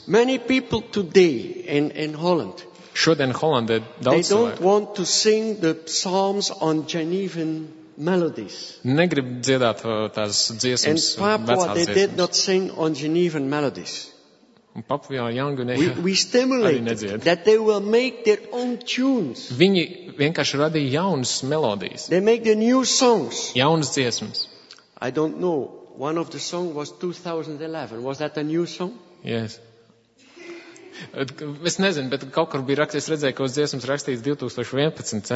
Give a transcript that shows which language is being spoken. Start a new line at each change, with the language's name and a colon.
English: Many people today in Holland.
Latvian: Šodien Holandē daudz cilvēku.
English: They don't want to sing the psalms on Genevan melodies.
Latvian: Negrib dziedāt tās dziesmas, vecās dziesmas.
English: And Papua, they did not sing on Genevan melodies.
Latvian: Un Papua jaungu nedzied.
English: We stimulated that they will make their own tunes.
Latvian: Viņi vienkārši radīja jaunas melodijas.
English: They make the new songs.
Latvian: Jaunas dziesmas.
English: I don't know. One of the song was 2011. Was that a new song? Yes.
Latvian: Es nezinu, bet kaut kur bija rakstīts, redzēju, ka uz dziesmas rakstīts 2011.